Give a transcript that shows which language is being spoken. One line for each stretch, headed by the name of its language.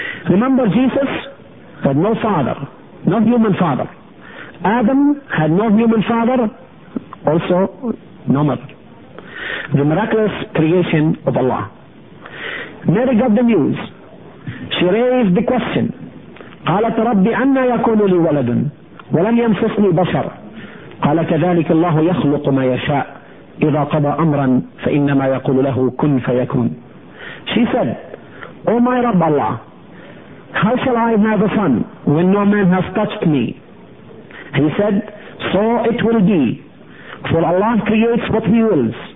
English: Remember, Jesus had no father, no human father. Adam had no human father, also no mother. The miraculous creation of Allah. Mary got the news. She raised the question.
Arabic: قالت ربي أنا يكون لي ولد ولم يمسسني بشر قال كذلك الله يخلق ما يشاء إذا قضى أمرا فإنما يقول له كن فيكون.
English: She said, O my Rabb Allah, how shall I have a son when no man has touched me? He said, so it will be, for Allah creates what he wills.